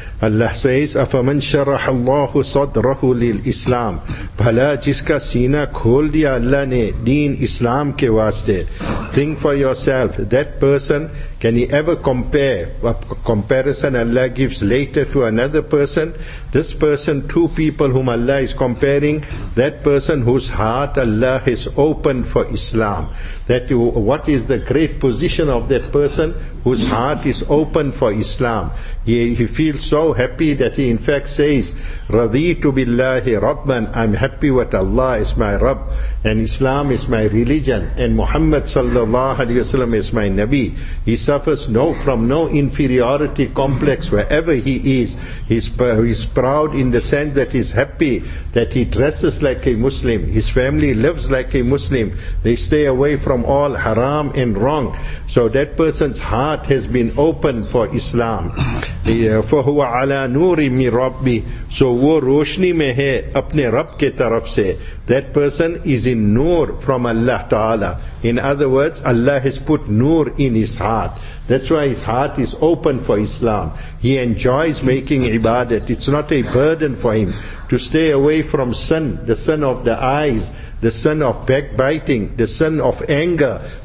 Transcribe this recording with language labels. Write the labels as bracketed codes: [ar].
[en] Allah says, [ar] أَفَمَنْ شَرَحَ اللَّهُ صَدْرَهُ لِلْإِسْلَامِ [ur] بھلا جس کا سینہ کھول دیا اللہ نے دین اسلام کے واسطے. [en] Think for yourself, that person, can he ever compare? A comparison Allah gives later to another person. This person, two people whom Allah is comparing, that person whose heart Allah has opened for Islam. What is the great position of that person whose heart is open for Islam? He feels so happy that he in fact says, [ar] رَضِيتُ بِاللَّهِ رَبًّا. [en] I'm happy with Allah is my Rabb, and Islam is my religion, and Muhammad sallallahu alayhi wasallam is my Nabi. He suffers from no inferiority complex wherever he is. He's proud in the sense that he's happy that he dresses like a Muslim. His family lives like a Muslim. They stay away from all haram and wrong. So that person's heart has been opened for Islam. [ar] فَهُوَ عَلَى نُورِ مِنْ رَبِّهِ. [en] So [ur] وہ روشنی میں ہے اپنے رب کے طرف سے. [en] That person is in نور from Allah Ta'ala. In other words, Allah has put نور in his heart. That's why his heart is open for Islam. He enjoys making ibadat. It's not a burden for him to stay away from sin, the sin of the eyes, the sin of backbiting, the sin of anger.